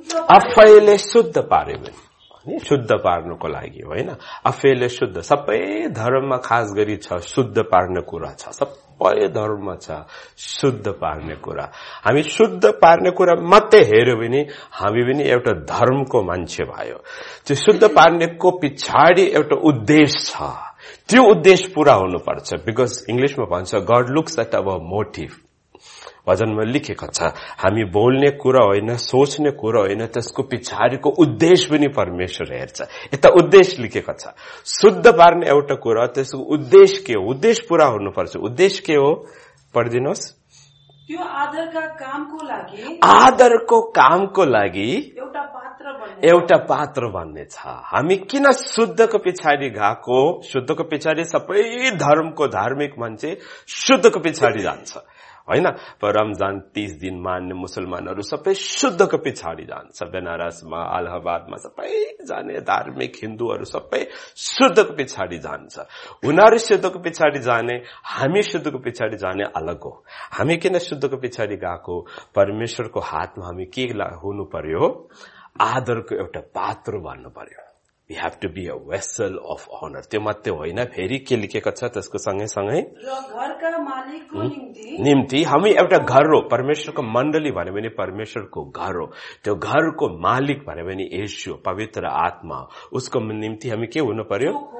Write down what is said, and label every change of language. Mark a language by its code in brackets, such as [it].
[ne] आफैले शुद्ध पार्यो भने शुद्ध पार्नको लागि होइन आफैले शुद्ध सबै धर्ममा खास गरी छ शुद्ध पार्ने कुरा छ सबै धर्म छ शुद्ध पार्ने कुरा हामी शुद्ध पार्ने कुरा मात्रै हेर्यो भने हामी पनि एउटा धर्मको मान्छे भयो त्यो शुद्ध पार्नेको पछाडि एउटा उद्देश्य छ त्यो उद्देश्य पूरा हुनुपर्छ बिकज इङ्ग्लिसमा भन्छ [en] God looks at our motive [ne] वचनमा लेखेको छ, हामी बोल्ने कुरा होइन, सोच्ने कुरा होइन, त्यसको पछाडिको उद्देश्य पनि परमेश्वर हेर्छ। यता उद्देश्य लेखेको छ, शुद्ध पार्ने एउटा कुरा, त्यसको उद्देश्य के हो? उद्देश्य पूरा हुनुपर्छ। उद्देश्य के हो पढिदिनुहोस्। त्यो आदरका कामको लागि, आदरको कामको लागि एउटा पात्र बन्ने छ। हामी किन शुद्धको पछाडि गएको? शुद्धको पछाडि सबै धर्मको धार्मिक मान्छे शुद्धको पछाडि जान्छ होइन, रमजान 30 दिन मान्ने मुसलमानहरू सबै शुद्धको पछाडि जान्छ, बनारसमा अलाहाबादमा सबै जाने धार्मिक हिन्दूहरू सबै शुद्धको पछाडि जान्छ। उनीहरू शुद्धको पछाडि जाने, हामी शुद्धको पछाडि जाने अलग हो। हामी किन शुद्धको पछाडि गएको? परमेश्वरको हातमा हामी के हुनु पर्यो? आदरको एउटा पात्र भन्नु पर्यो। [en] We have to be a vessel of honor. [ne] त्यो मात्रै होइन, फेरि के लेखेको छ त्यसको सँगै सँगै, निम्ति हामी एउटा घर हो। परमेश्वरको मण्डली भन्यो भने परमेश्वरको घर हो, त्यो घरको मालिक भन्यो भने येशू, पवित्र आत्मा, उसको निम्ति हामी के हुनु पर्यो?